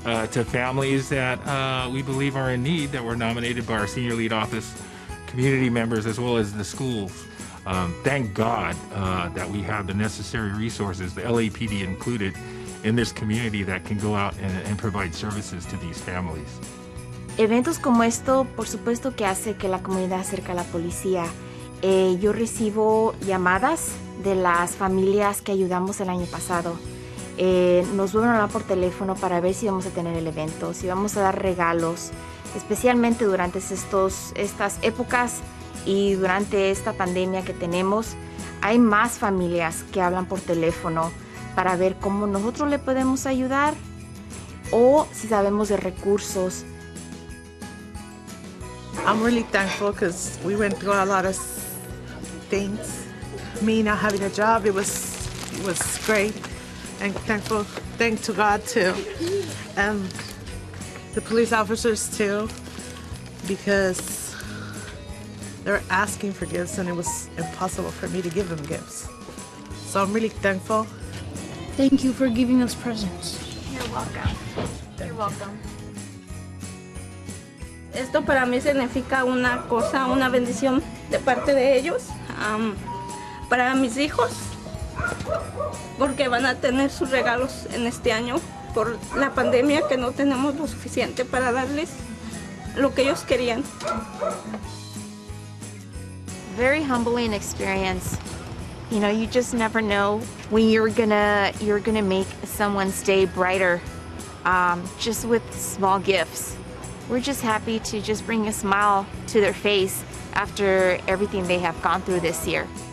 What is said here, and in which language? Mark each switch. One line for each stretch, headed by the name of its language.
English: to families that we believe are in need that were nominated by our senior lead office community members as well as the schools. Thank God that we have the necessary resources, the LAPD included, in this community that can go out and provide services to these families.
Spanish: Eventos como esto, por supuesto que hace que la comunidad acerque a la policía. Yo recibo llamadas de las familias que ayudamos el año pasado. Nos vuelven a hablar por teléfono para ver si vamos a tener el evento, si vamos a dar regalos, especialmente durante estas épocas y durante esta pandemia que tenemos. Hay más familias que hablan por teléfono para ver cómo nosotros le podemos ayudar o si sabemos de recursos.
English: I'm really thankful because we went through a lot of things. Me not having a job, it was great. And thankful, thank to God too. And the police officers too, because they're asking for gifts and it was impossible for me to give them gifts. So I'm really thankful. Thank you for giving us presents. You're welcome. You're welcome.
Spanish: Esto para mí significa una cosa, una bendición de parte de ellos, para mis hijos, porque van a tener sus regalos en este año por la pandemia, que no tenemos lo suficiente para darles lo que ellos querían.
English: Very humbling experience. You know, you just never know when you're gonna make someone's day brighter, just with small gifts. We're just happy to just bring a smile to their face after everything they have gone through this year.